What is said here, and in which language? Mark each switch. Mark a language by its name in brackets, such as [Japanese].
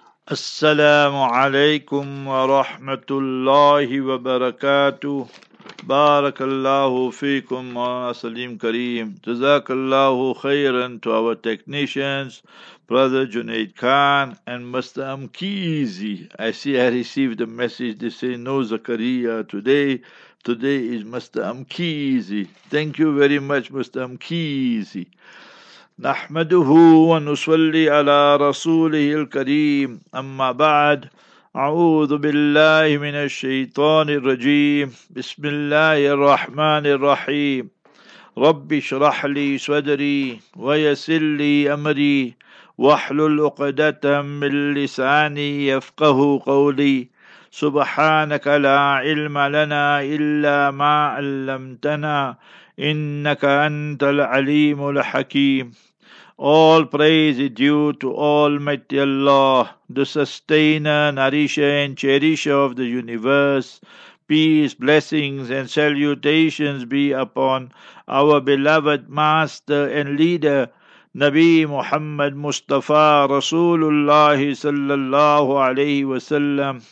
[Arabic] السلام عليكم ورحمة الله وبركاته. بارك الله فيكم سليم كريم. جزاك الله خيرا [English] to our technicians, Brother Junaid Khan and Mr. Amkizi. I see I received a message to say no Zakaria today. Today is Mr. Amkizi. Thank you very much, Mr. Amkizi. [Arabic] نحمده ونصلي على رسوله الكريم أما بعد أعوذ بالله من الشيطان الرجيم بسم الله الرحمن الرحيم رب اشرح لي صدري ويسر لي أمري واحلل عقدة من لساني يفقه قولي سبحانك لا علم لنا إلا ما علمتنا إنك أنت العليم الحكيم. [English] All praise is due to Almighty Allah, the sustainer, nourisher and cherisher of the universe. Peace, blessings and salutations be upon our beloved master and leader, Nabi Muhammad Mustafa Rasulullah sallallahu alayhi wa sallam.